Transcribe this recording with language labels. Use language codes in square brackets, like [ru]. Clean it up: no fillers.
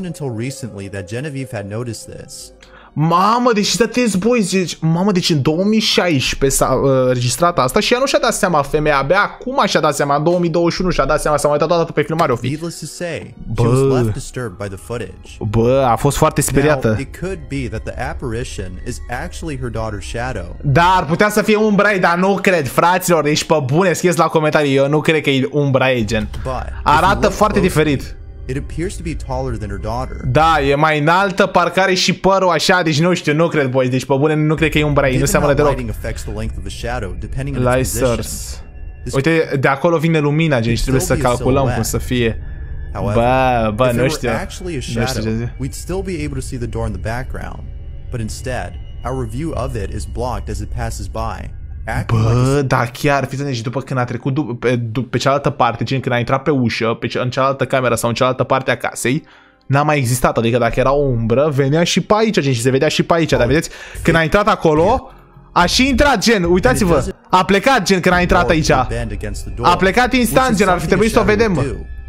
[en] It wasn't until recently that Genevieve had noticed this. [ro] Mamă, deci stăteți, boys, deci, mamă, deci în 2016 s-a înregistrat asta și ea nu și-a dat seama, femeia, abia acum și-a dat seama, în 2021 și-a dat seama, s-a mai uitat toată pe filmare, o fi. [en] Needless to say, bă, she was left disturbed by the footage. [ro] Bă, a fost foarte speriată. [en] Now, it could be that the apparition is actually her daughter's shadow. [ro] Dar putea să fie umbra ei, dar nu cred, fraților, ești pe bune, scrieți la comentarii, eu nu cred că e umbra ei, gen. Arată foarte diferit. [en] It appears to be taller than her daughter. [ro] Da, e mai înaltă, parcă are și părul așa, deci nu știu, nu cred, boy, deci pe bune nu cred că e umbra ei, nu seamănă deloc. [en] Lighting affects the length of the shadow, depending on its position. [ro] Uite, de acolo vine lumina, gen, și trebuie să calculăm cum să fie. Bă, bă, nu știu. [en] Actually a shadow, we'd still be able to see the door in the background, but instead, our view of it is blocked as it passes by. [ro] Bă, dar chiar, fiți atenți, după când a trecut pe cealaltă parte, gen când a intrat pe ușă, în cealaltă cameră sau în cealaltă parte a casei, n-a mai existat, adică dacă era o umbră, venea și pe aici, gen, și se vedea și pe aici, dar vedeți, când a intrat acolo, a și intrat, gen, uitați-vă, a plecat, gen, când a intrat aici, a plecat instant, gen, ar fi trebuit să o vedem.